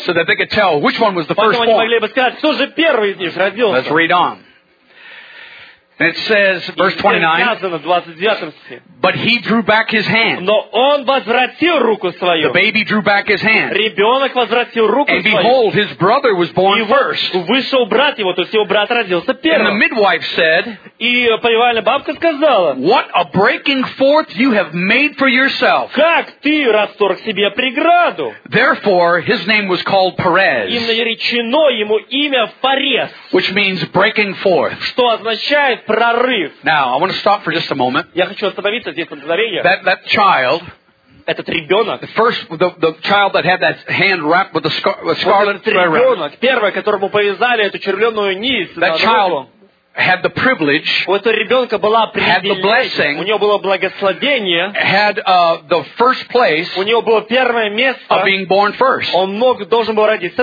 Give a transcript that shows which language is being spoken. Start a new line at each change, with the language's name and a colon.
English: so that they could tell which one was the firstborn.
Russian: Бы сказать, кто же первый из них родился.
English: Let's read on. And it says, verse 29,
Russian: 29,
English: but he drew back his hand.
Russian: Но он возвратил руку свою.
English: The baby drew back his hand.
Russian: Ребенок возвратил руку
English: and
Russian: свою.
English: Behold, his brother was born
Russian: и
English: first.
Russian: Вышел брат его, то есть его брат родился первым.
English: And the midwife said,
Russian: и повивальная бабка сказала,
English: what a breaking forth you have made for yourself.
Russian: Как ты расторг себе преграду.
English: Therefore, his name was called Perez.
Russian: И наречено ему имя Фарес.
English: Which means breaking forth.
Russian: Что означает прорыв.
English: Now, I want to stop for just a moment.
Russian: Я хочу остановиться здесь на мгновение.
English: That child,
Russian: этот ребенок,
English: the child that had that hand wrapped with a scarlet thread around.
Russian: Ребенок, первый, которому повязали эту червленую нить.
English: That child had the privilege,
Russian: у этого ребенка была привилегия,
English: had the blessing,
Russian: у него было благословение,
English: had the first place,
Russian: у него было первое место,
English: of being born first.
Russian: Он мог, должен был родиться